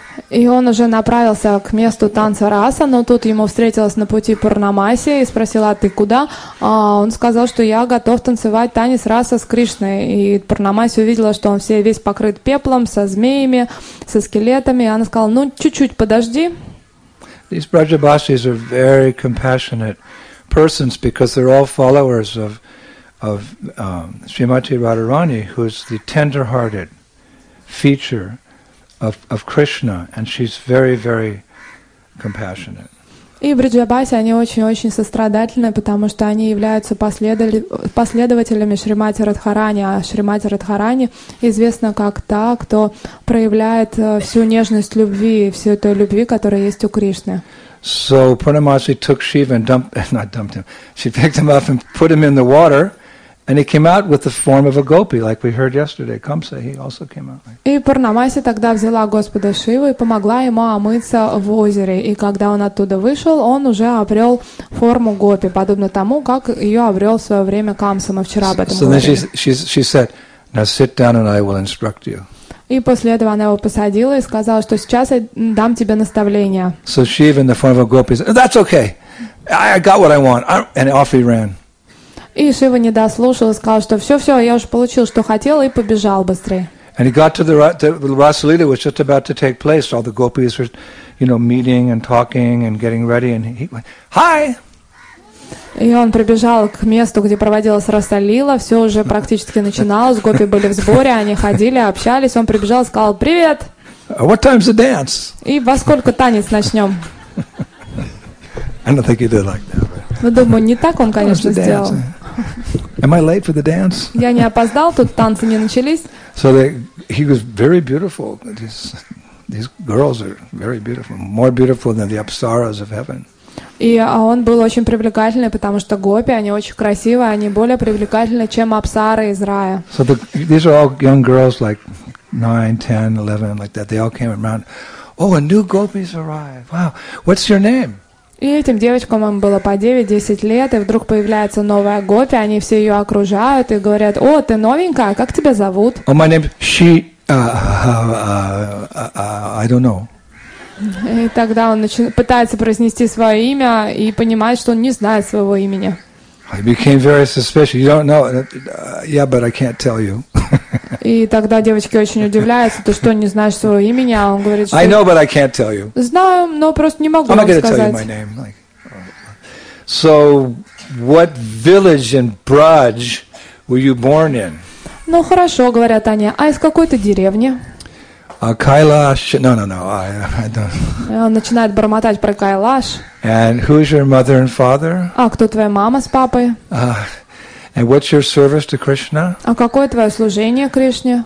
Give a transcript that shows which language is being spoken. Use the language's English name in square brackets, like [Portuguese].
[Russian] И он уже направился к месту танца раса, но тут ему встретилась на пути Пурнамаси и спросила, ты куда? А он сказал, что я готов танцевать танец раса с Кришной. И Пурнамаси увидела, что он весь покрыт пеплом, со змеями, со скелетами. И она сказала, ну, чуть-чуть подожди. [English] These Brajabhasis are very compassionate persons because they're all followers of Srimati Radharani, who's the tender-hearted feature of Krishna, and she's very, very compassionate. [Russian] И Бриджабаси, они очень-очень сострадательны, потому что они являются последователями Шримати Радхарани, а Шримати Радхарани известна как та, кто проявляет всю нежность любви, всю той любви, которая есть у Кришны. [English] So Purnamasi took Shiva and dumped him. She picked him up and put him in the water. And he came out with the form of a gopi, like we heard yesterday. Kamsa, he also came out. [Russian] И Пурнамаси тогда взяла Господа Шиву и помогла ему омыться в озере. И когда он оттуда вышел, он уже обрел форму гопи, подобно тому, как ее обрел в свое время Камса. Мы вчера об этом говорили. [English] So then she said, Now sit down and I will instruct you. [Russian] И после этого она его посадила и сказала, что сейчас я дам тебе наставление. [English] So Shiva in the form of a gopi said, "That's okay. I got what I want." And off he ran. [Russian] И Шива не дослушал и сказал, что все, я уже получил, что хотел, и побежал быстрее. [English] And he got to the Rasa Lila was just about to take place. All the gopis were, you know, meeting and talking and getting ready. And he went, "Hi." [Russian] И он прибежал к месту, где проводилась Расалила, все уже практически начиналось, гопи были в сборе, они ходили, общались, он прибежал и сказал: «Привет!» [English] What time's the dance? [Russian] И во сколько танец начнем? [English] I don't think he did like that, but... [Russian] Думаю, не так он, конечно, сделал. [English] Am I late for the dance? [Russian] Я не опоздал, тут танцы не начались. [English] So he was very beautiful. These girls are very beautiful, more beautiful than the apsaras of heaven. [Russian] И он был очень привлекательный, потому что гопи, они очень красивые, они более привлекательны, чем апсары из рая. [English] So these are all young girls, like 9, 10, 11, like that. They all came around. Oh, a new gopis arrived. Wow. What's your name? [Russian] И этим девочкам им было по 9-10 лет, и вдруг появляется новая гопи, они все ее окружают и говорят: «О, ты новенькая, как тебя зовут?» [English] Oh, my name is she... I don't know. [Russian] И тогда он пытается произнести свое имя и понимает, что он не знает своего имени. [English] I became very suspicious. You don't know? Yeah, but I can't tell you. [Russian] И тогда девочки очень удивляются, ты что, не знаешь своего имени? А он говорит, что... [English] I know, but I can't tell you. [Russian] Знаю, но просто не могу вам сказать. [English] I'm not going to tell you my name. So, what village in Braj were you born in? [Russian] Ну хорошо, говорят они, а из какой ты деревни? [English] Кайлаш. No. [Russian] Он начинает бормотать про Кайлаш. [English] And who's your mother and father? [Russian] А кто твоя мама с папой? [English] And what's your service to Krishna? [Russian] А какое твое служение Кришне?